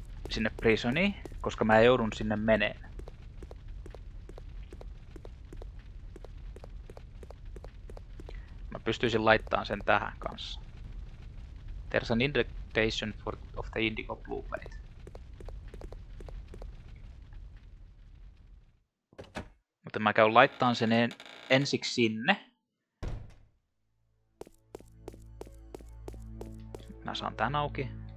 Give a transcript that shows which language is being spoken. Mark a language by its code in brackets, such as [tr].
[fi] Sinne prisoniin, koska mä joudun sinne meneen. Pystyisin laittamaan sen tähän kanssa. [en] There's an indication for of the indigo blue plate. [fi] Mutta mä käyn laittamaan sen ensiksi sinne. Mä saan tän auki.